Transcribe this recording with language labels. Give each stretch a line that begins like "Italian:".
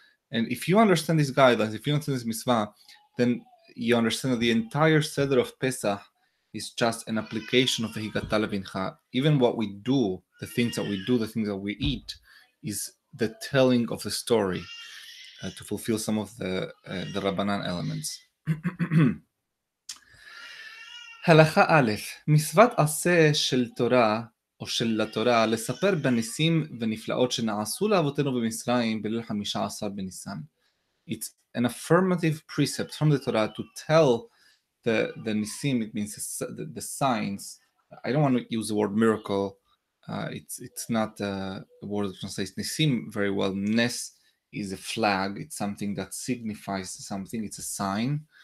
English: And if you understand these guidelines, if you understand this mitzvah, then you understand that the entire Seder of Pesach is just an application of the Higata Levincha. Even what we do, the things that we do, the things that we eat, is the telling of the story to fulfill some of the Rabbanan elements. Halacha Aleph, mitzvat aseh shel Torah,
Hebrew: או של התורה, לספר בניסים ונפלאות שנעשו לאבותינו במצרים בליל 15 בניסן.
English: It's an affirmative precept from the Torah to tell the nisim, it means the signs. I don't want to use the word miracle. It's not a word that translates nisim very well. Nes is a flag. It's something that signifies something. It's a sign.